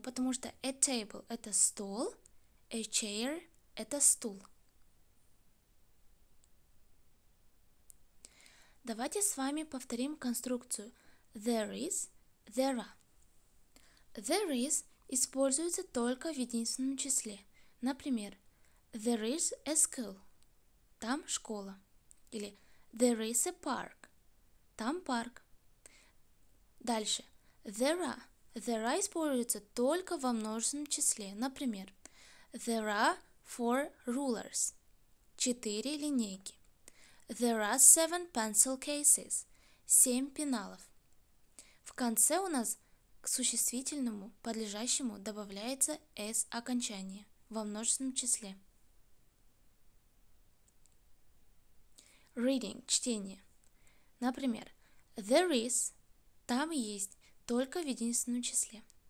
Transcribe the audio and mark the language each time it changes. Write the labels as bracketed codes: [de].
[ru] Потому что a table – это стол, a chair – это стул. Давайте с вами повторим конструкцию there is, there are. There is используется только в единственном числе. [en] Например, there is a school. [ru] Там школа. [en] Или there is a park. [ru] Там парк. Дальше. There are. There are используется только во множественном числе. [en] Например, there are four rulers. [ru] Четыре линейки. [en] There are seven pencil cases. [ru] Семь пеналов. В конце у нас к существительному подлежащему добавляется s окончание во множественном числе. Reading – чтение. Например, there is – там есть, только в единственном числе.